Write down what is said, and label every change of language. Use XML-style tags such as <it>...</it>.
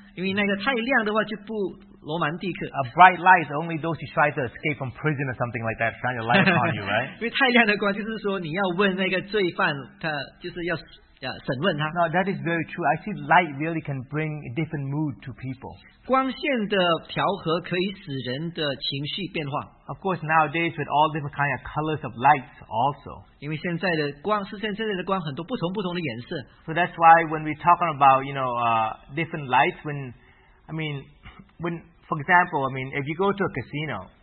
<en>A bright light is only those who try to escape from prison or something like that, shine your light upon you, right?</en> <zh>因为太亮的光就是说你要问那个罪犯，他就是要审问他。</zh> <en>No, that is very true. I see light really can bring a different mood to people.</en> <zh>光线的调和可以使人的情绪变化。</zh> <en>Of course, nowadays with all different kind of colors of lights also.</en> <zh>因为现在的光是现在的光很多不同的颜色。</zh> <en>So that's why when we're talking about, you know, different lights, when, for example, if you go to a casino,</en>